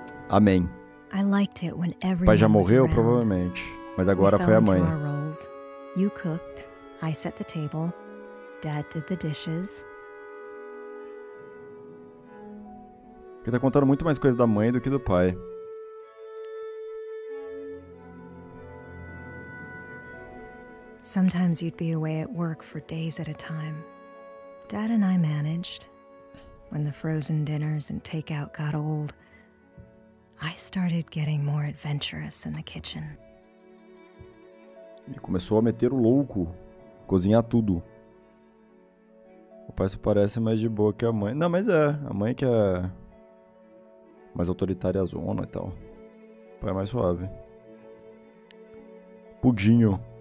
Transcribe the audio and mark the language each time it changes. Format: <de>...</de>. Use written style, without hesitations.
<pt>Amém.</pt> <en>I liked it when everyone was around.</en> <pt>Pai já morreu, provavelmente. Mas agora foi a mãe.</pt> <en>You cooked, I set the table, Dad did the dishes.</en> <pt>Ele tá contando muito mais coisa da mãe do que do pai.</pt> <en>Sometimes you'd be away at work for days at a time. Dad and I managed. When the frozen dinners and takeout got old, I started getting more adventurous in the kitchen.</en> <pt>Ele começou a meter o louco, cozinhar tudo. O pai se parece mais de boa que a mãe. Não, mas é, a mãe que é mais autoritária zona e tal. O pai é mais suave. Pudinho.</pt>